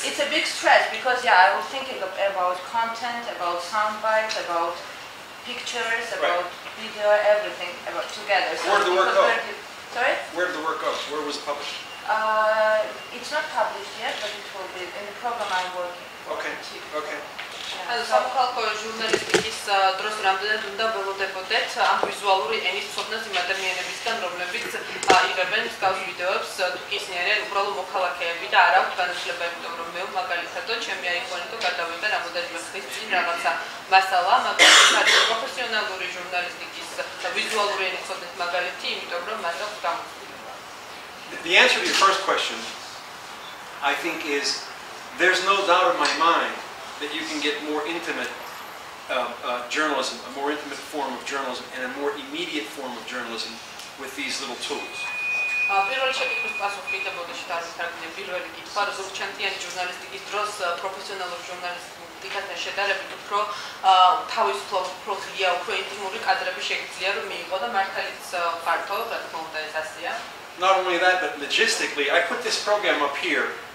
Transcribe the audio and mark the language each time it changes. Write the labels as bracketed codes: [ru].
[en] It's a big stress because I was thinking about content, about sound bites, about pictures, about video, everything about together. So where did the work go? Where did the work go? Where was it published? It's not published yet, but it will be in the program I'm working. Okay. [ka] სამოქალაქო ჟურნალისტიკის დროს რამდენად უნდა ველოდებოდეთ ამ ვიზუალური ენის ცოდნას იმ ადამიანებისგან, რომლებიც იღებენ მსგავს ვიდეოებს, თუ ისინი უბრალო მოქალაქეები და არ აქვთ განათლება, იმიტომ რომ მე მაგალითადო ჩემი აიფონი თუ გადავიდა რამოდენიმე ხნის წინ რაღაცა მასალა, მაგრამ პროფესიონალური ჟურნალისტიკის ვიზუალური ენის ცოდნის მაგალითი, იმიტომ რომ მას აქვს გამოცდილება. [en] The answer to your first question, I think, is there's no doubt in my mind that you can get more intimate journalism, a more intimate form of journalism, and a more immediate form of journalism with these little tools. [ka] პირველი შეკითხვის პასუხი და ბოდიში დასთანხმდა პირველი კითხვა, რომ ზურგჩანთიანი ჟურნალისტიკის დროს პროფესიონალურ ჟურნალისტიკასთან შედარებით უფრო თავისუფლად, უფრო ღია, უფრო ინტიმური კადრები შეგვიძლია რომ მიიღო და მართალიც ფართო, რა თქმა უნდა ეს ასეა. [en] Not only that, but logistically, I put this program up here.